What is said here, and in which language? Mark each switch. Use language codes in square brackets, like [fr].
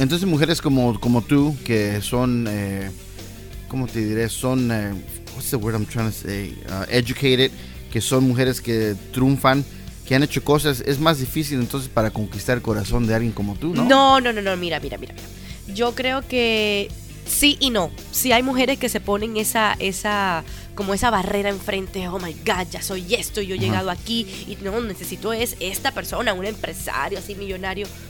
[es] Entonces, mujeres como tú, que son, ¿cómo te diré? Son, [en] what's the word I'm trying to say? Educated, [es] que son mujeres que triunfan, que han hecho cosas. Es más difícil entonces para conquistar el corazón de alguien como tú, ¿no? No. Mira. Yo creo que sí y no. Sí hay mujeres que se ponen esa... como esa barrera enfrente, [en] oh my God, [es] ya soy esto, yo he llegado aquí y no, necesito es esta persona, un empresario así millonario.